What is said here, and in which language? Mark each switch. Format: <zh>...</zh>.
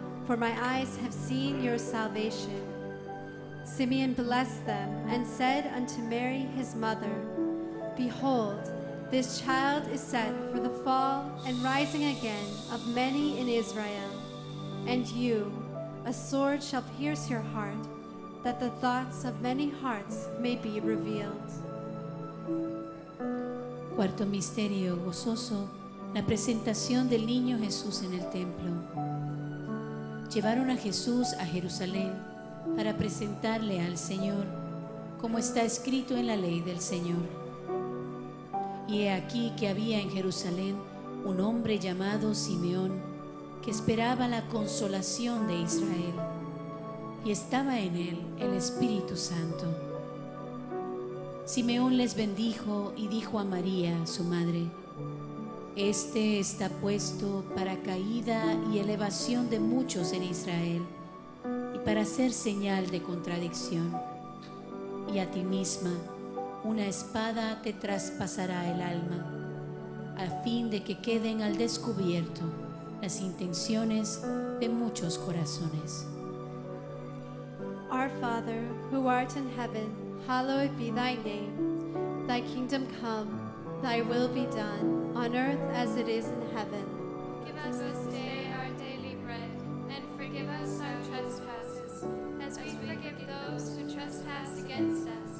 <en>for my eyes have seen your salvation. Simeon blessed them and said unto Mary his mother, Behold, this child is set for the fall and rising again of many in Israel. And you, a sword shall pierce your heart, that the thoughts of many hearts may be revealed.</en> <es>Cuarto misterio gozoso, la presentación del niño Jesús en el templo. Llevaron a Jesús a Jerusalén para presentarle al Señor, como está escrito en la ley del Señor. Y he aquí que había en Jerusalén un hombre llamado Simeón, que esperaba la consolación de Israel, y estaba en él el Espíritu Santo. Simeón les bendijo y dijo a María, su madre, Este está puesto para caída y elevación de muchos en Israel, y para ser señal de contradicción. Y a ti misma una espada te traspasará el alma, a fin de que queden al descubierto las intenciones de muchos corazones.</es> <en>Our Father, who art in heaven, hallowed be thy name. Thy kingdom come, thy will be done, on earth as it is in heaven. Give us this day our daily bread, and forgive us our trespasses, as we forgive those who trespass against us.</en>